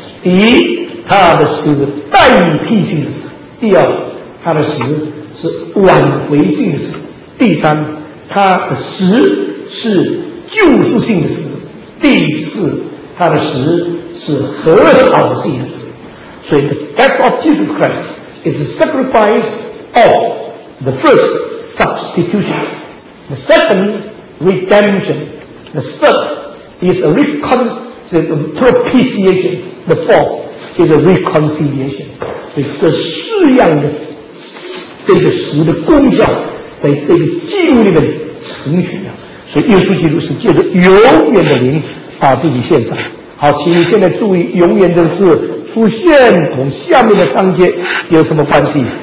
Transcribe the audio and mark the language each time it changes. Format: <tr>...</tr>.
<zh>第一，他的死是代替性的死；第二，他的死是挽回性的死；第三，他的死是救赎性的死；第四，他的死是和好性的死。</zh> <en>所以 the death of Jesus Christ is the sacrifice of the firstSubstitution, the second redemption, the third is a propitiation, the fourth is a reconciliation.</en> <zh>所以这四样的这个十的功效在这个基督里面成全了。所以耶稣基督是借着永远的灵把自己献上。好，请你现在注意，永远的字出现同下面的章节有什么关系？</zh>